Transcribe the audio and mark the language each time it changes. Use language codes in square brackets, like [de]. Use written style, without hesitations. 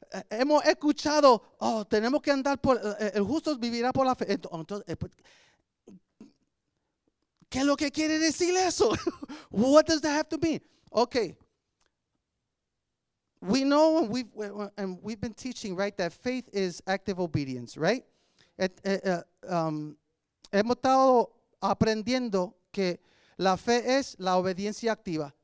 [es] Hemos escuchado, oh, tenemos que andar por, el justo vivirá por la fe. ¿Qué es lo que quiere decir eso? [en] What does that have to mean? Okay. We know and we've been teaching, right, that faith is active obedience, right? [es] Hemos estado aprendiendo que la fe es la obediencia activa.